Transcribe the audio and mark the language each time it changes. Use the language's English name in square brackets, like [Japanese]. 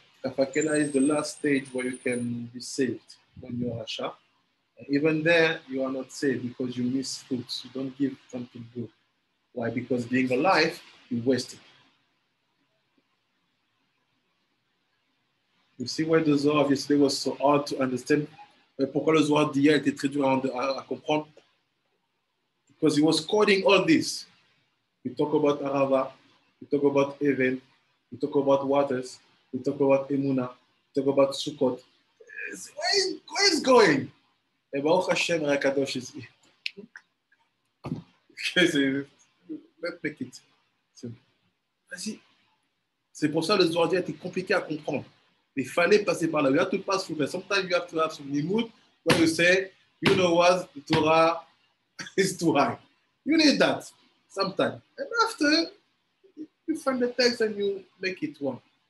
[English] Kafakela is the last stage where you can be saved when you are Asha. Even there, you are not saved because you miss fruits. You don't give something good. Why? Because being alive, you waste it. You see why the Zohar yesterday was so hard to understand? [French] Pourquoi le Zohar d'hier était très dur à comprendre? [English] Because he was coding all this. We talk about Arava, we talk about Even, we talk about waters, we talk about Emuna, we talk about Sukkot. Where is going? Et Baruch Hashem, Rakadosh is here. Let's make it. Vas-y. [French] C'est pour ça que le Zohar d'hier était compliqué à comprendre. Il fallait passer par là. [English] You have to pass through there. Sometimes you have to have some nimut when you say, you know what, the Torah is too high. You need that sometimes. And after, you find the text and you make it one.